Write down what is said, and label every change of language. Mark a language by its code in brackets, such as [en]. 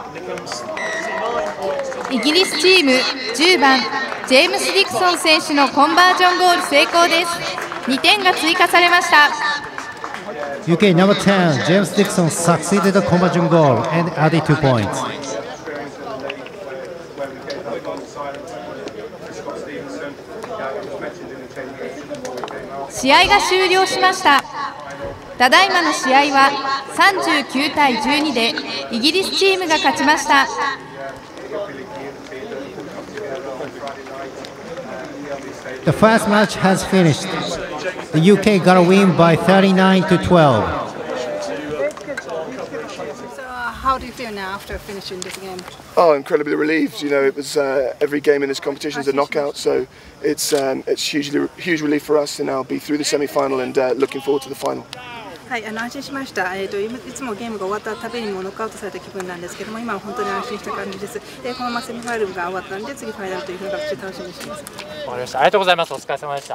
[ja] イギリスチーム10番ジェームス・ディクソン選手のコンバージョンゴール成功です。2点が追加されました。 [en] UK number 10, James Dixon succeeded the conversion goal and added 2 points. [ja] ただいまの試合は39対12でイギリスチームが勝ちました。 [en] The first match has finished. The UK got a win by 39-12. How do you feel now after finishing this game? Oh, incredibly relieved. You know, it was every game in this competition is a knockout, so it's huge relief for us to now be through the semi-final and looking forward to the final. [ja] はい、安心しました。いつもゲームが終わったたびにもノックアウトされた気分なんですけども、今は本当に安心した感じです。で、このままセミファイナルが終わったんで、次ファイナルというふうに楽しみにしています。わかりました。ありがとうございます。お疲れ様でした。